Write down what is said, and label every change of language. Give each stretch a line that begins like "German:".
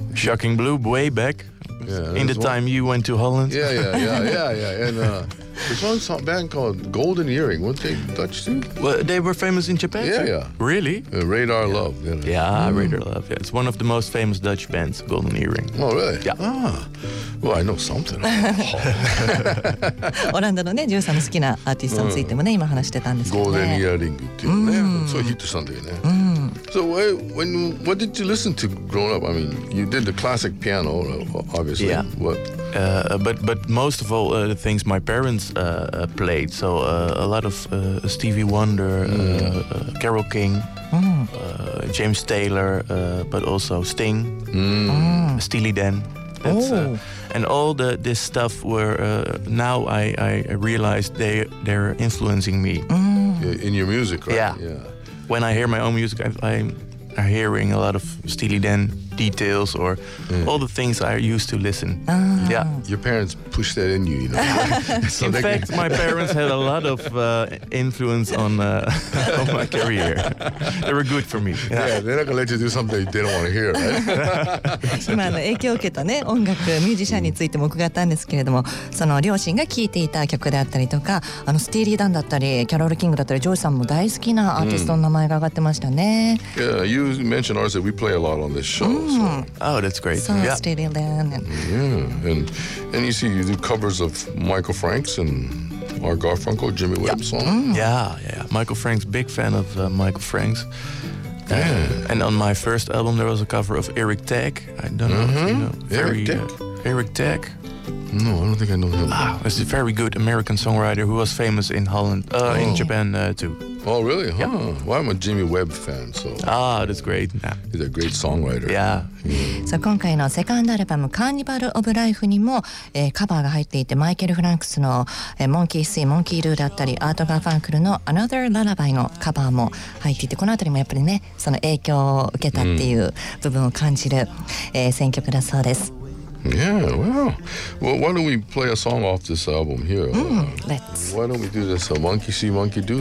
English: Shocking Blue, way back in the time you went to Holland. And there's one band called Golden Earring, weren't they Dutch too? Well, they were famous in Japan. Really? Radar Love. Radar Love. Yeah, it's one of the most famous Dutch bands, Golden Earring. Oh, really? Yeah. Ah. Well, I know something.
Japanese: オランダのね、ジュウさんの好きなアーティストについてもね、今話してたんですけどね。ゴールデンイヤリングっていうね、そういうヒットしたんだよね。
English: So, what did you listen to growing up? I mean, you did the classic piano, obviously. Yeah. But most of all, the things my parents played. So, a lot of Stevie Wonder, Carole King, James Taylor, but also Sting, Steely Dan. And all this stuff were now I realized they're influencing me in your music, right? Yeah. Yeah. When I hear my own music, I'm hearing a lot of Steely Dan details or all the things I used to listen. Yeah. Your parents pushed that in you, you know. So in fact, my parents had a lot of influence on my career. They were good for me. Yeah, they're not gonna let you do something they don't want to hear, right?
Japanese: 今の影響を受けたね、音楽ミュージシャンについても伺ったんですけれども、その両親が聴いていた曲であったりとか、あのスティーリー・ダンだったり、キャロル・キングだったり、ジョージさんも大好きなアーティストの名前が上がってましたね。
English: Yeah, you mentioned ours that we play a lot on this show. Oh, that's great. So yeah. Steely Dan. And you see, you do covers of Michael Franks and our Garfunkel, Jimmy Webb song. Michael Franks, big fan of Michael Franks. And on my first album, there was a cover of Eric Tech. I don't know if you know. Eric Tech. No, I don't think I know him. He's a very good American songwriter who was famous in Holland, in Japan too. Oh, really? Huh. Yeah. Well, I'm a Jimmy Webb fan, so... Ah, that's great. Yeah. He's a great songwriter. Yeah.
Japanese: So, 今回のセカンドアルバム Carnival of Life にも、カバーが入っていて、マイケル・フランクスの、Monkey See, Monkey Do だったり、アート・ガーファンクルの Another Lullaby のカバーも入っていて、この辺りもやっぱりね、その影響を受けたっていう部分を感じる、選曲だそうです。
English: Yeah, well, why don't we play a song off this album here? Why don't we do this, Monkey See, Monkey Do?